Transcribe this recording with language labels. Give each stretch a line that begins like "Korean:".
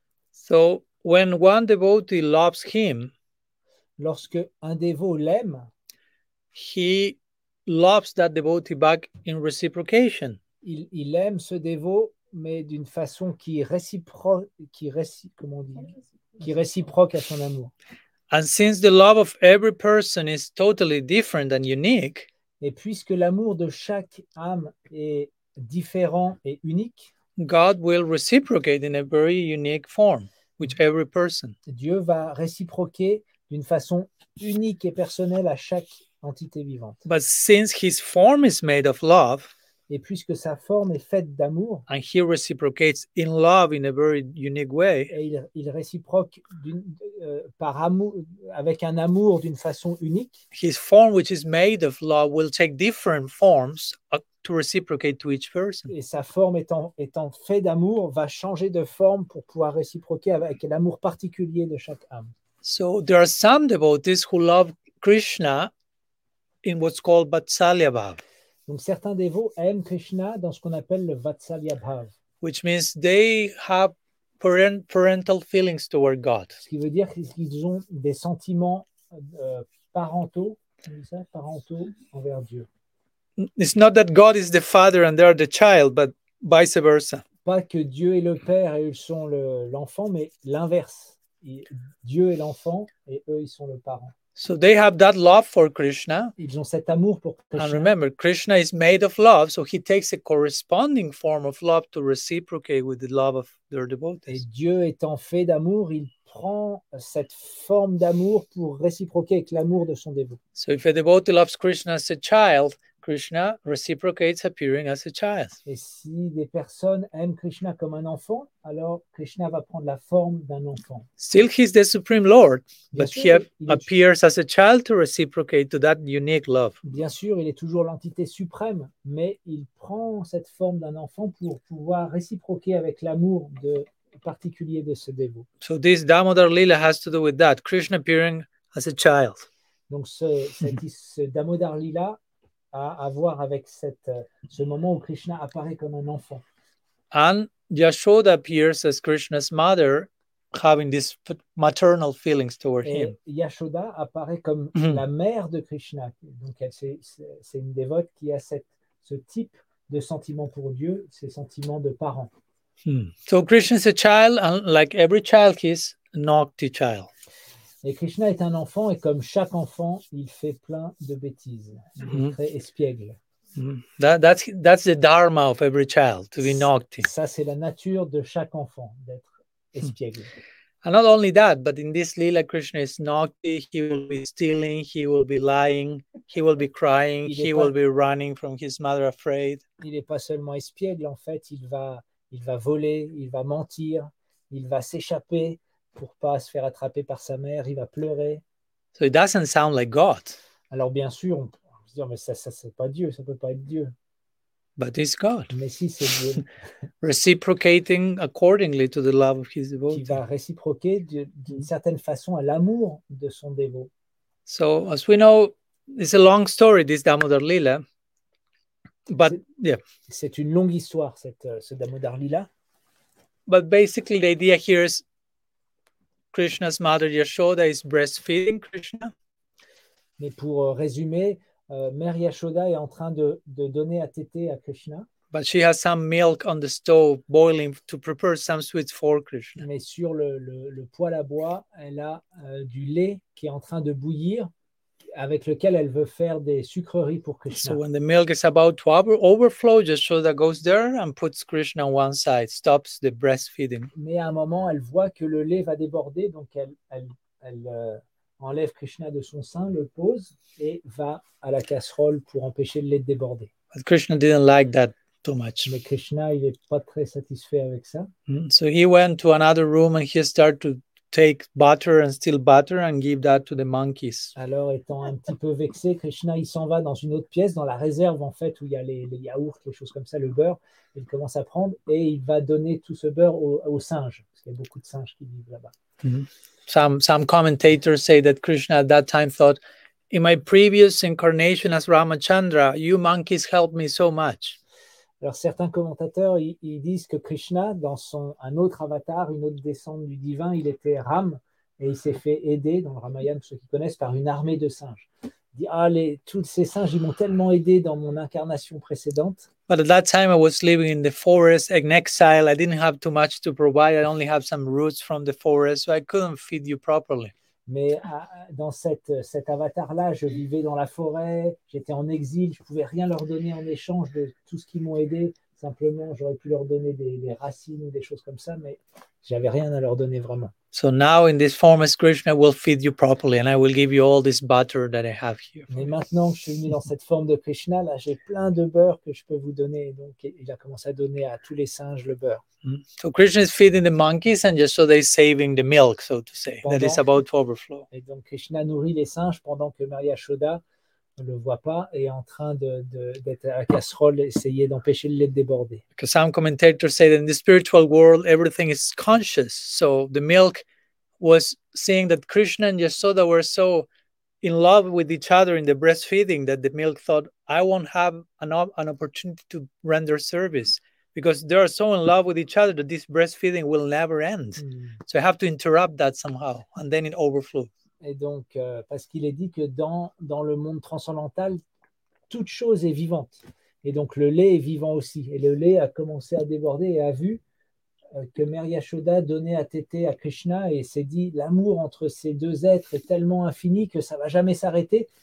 English: So when one devotee loves him,
French: lorsque un dévot l'aime,
English: he loves that devotee back in reciprocation.
French: Il aime ce dévot, mais d'une façon qui réciproque à son amour.
English: And since the love of every person is totally different and unique,
French: et puisque l'amour de chaque âme est différent et unique,
English: God will reciprocate in a very unique form with every person.
French: Dieu va réciproquer d'une façon unique et personnelle à chaque entité vivante.
English: But since his form is made of love,
French: et puisque sa forme est faite d'amour,
English: and he reciprocates in love in a very unique way,
French: et il réciproque par amour, avec un amour d'une façon unique,
English: his form which is made of love will take different forms to reciprocate to each person.
French: Et sa forme étant faite d'amour va changer de forme pour pouvoir réciproquer avec l'amour particulier de chaque âme.
English: So there are some devotees who love Krishna in what's called Vatsalya Bhav.
French: Donc certains dévots aiment Krishna dans ce qu'on appelle le Vatsalya Bhav,
English: which means they have parental feelings toward God.
French: Ce qui veut dire qu'ils ont des sentiments parentaux, comme ça, parentaux envers Dieu.
English: It's not that God is the father and they are the child, but vice versa.
French: Pas que Dieu est le père et ils sont l'enfant, mais l'inverse. Dieu est l'enfant et eux ils sont le parent.
English: So they have that love for Krishna.
French: Ils ont cet amour pour Krishna.
English: And remember, Krishna is made of love, so he takes a corresponding form of love to reciprocate with the love of their devotees.
French: Et Dieu étant fait d'amour, il prend cette forme d'amour pour réciproquer avec l'amour de son dévot.
English: So if a devotee loves Krishna as a child, Krishna reciprocates appearing as a child.
French: Et si des personnes aiment Krishna comme un enfant, alors Krishna va prendre la forme d'un enfant.
English: Still he is the supreme lord, but he appears as a child to reciprocate to that unique love.
French: Bien sûr, il est toujours l'entité suprême, mais il prend cette forme d'un enfant pour pouvoir réciproquer avec l'amour de particulier de ce dévot.
English: So this Damodar Lila has to do with that, Krishna appearing as a child.
French: Donc ce Damodar Lila à avoir avec ce moment où Krishna apparaît comme un enfant.
English: And Yashoda appears as Krishna's mother, having these maternal feelings toward him.
French: Yashoda apparaît comme la mère de Krishna. Donc c'est une dévote qui a ce type de sentiment pour Dieu, ces sentiments de parent.
English: So Krishna is a child, and like every child, he is an naughty child.
French: Et Krishna est un enfant et comme chaque enfant, il fait plein de bêtises, il est espiègle.
English: That's the dharma of every child, to be naughty.
French: Ça, c'est la nature de chaque enfant, d'être espiègle.
English: And not only that, but in this lila, Krishna is naughty, he will be stealing, he will be lying, he will be crying, will be running from his mother afraid.
French: Il n'est pas seulement espiègle, en fait, il va voler, il va mentir, il va s'échapper pour pas se faire attraper par sa mère, il va pleurer.
English: So it doesn't sound like God.
French: Alors bien sûr, on peut se dire mais ça c'est pas Dieu, ça peut pas être Dieu.
English: But it's God.
French: Mais si c'est Dieu.
English: Reciprocating accordingly to the love of his devotee.
French: Qui va réciproquer d'une certaine façon à l'amour de son dévot.
English: So as we know, it's a long story this Damodar Lila. But
French: c'est une longue histoire ce Damodar Lila.
English: But basically the idea here is Krishna's mother Yashoda is breastfeeding Krishna.
French: Mais pour résumer, Mère Yashoda est en train de donner à téter à Krishna.
English: But she has some milk on the stove boiling to prepare some sweets for Krishna.
French: Mais sur le poêle à bois, elle a du lait qui est en train de bouillir, avec lequel elle veut faire des sucreries pour Krishna.
English: So when the milk is about to overflow, Yashoda goes there and puts Krishna on one side, stops the breastfeeding.
French: Mais à un moment, elle voit que le lait va déborder, donc elle enlève Krishna de son sein, le pose et va à la casserole pour empêcher le lait de déborder.
English: But Krishna didn't like that too much.
French: Mais Krishna, il est pas très satisfait avec ça.
English: So he went to another room and he started to take butter and steal butter and give that to the monkeys.
French: Alors, étant un petit peu vexé, Krishna, il s'en va dans une autre pièce, dans la réserve, en fait, où il y a les yaourts, les choses comme ça, le beurre. Il commence à prendre et il va donner tout ce beurre aux singes, parce qu'il y a beaucoup de singes qui vivent là-bas.
English: Some commentators say that Krishna at that time thought, in my previous incarnation as Ramachandra, you monkeys helped me so much.
French: Alors, certains commentateurs ils disent que Krishna, dans un autre avatar, une autre descente du divin, il était Ram et il s'est fait aider, dans le Ramayana, pour ceux qui connaissent, par une armée de singes. tous ces singes ils m'ont tellement aidé dans mon incarnation précédente.
English: But at that time I was living in the forest in exile. I didn't have too much to provide. I only have some roots from the forest, so I couldn't feed you properly.
French: Mais dans cet avatar-là, je vivais dans la forêt, j'étais en exil, je ne pouvais rien leur donner en échange de tout ce qu'ils m'ont aidé. Simplement, j'aurais pu leur donner des racines ou des choses comme ça, mais je n'avais rien à leur donner vraiment.
English: So now, in this form as Krishna, I will feed you properly and I will give you all this butter that I have here.
French: Mais maintenant que je suis mis dans cette forme de Krishna, là, j'ai plein de beurre que je peux vous donner. Donc, il a commencé à donner à tous les singes le beurre.
English: So Krishna is feeding the monkeys and just so they're saving the milk, so to say, that is about to overflow.
French: Et donc, Krishna nourrit les singes pendant que Maria Yashoda ne le voit pas et est en train d'être à la casserole, essayer d'empêcher le lait de déborder.
English: Because some commentators say that in the spiritual world, everything is conscious. So the milk was seeing that Krishna and Yashoda were so in love with each other in the breastfeeding that the milk thought, I won't have an opportunity to render service. Because they are so in love with each other that this breastfeeding will never end. Mm. So I have to interrupt that somehow. And then it overflowed.
French: Et donc, parce qu'il est dit que dans le monde transcendantal, toute chose est vivante. Et donc, le lait est vivant aussi. Et le lait a commencé à déborder et a vu que Maria Yashoda donnait à téter à Krishna et s'est dit, l'amour entre ces deux êtres est tellement infini que ça ne va jamais s'arrêter.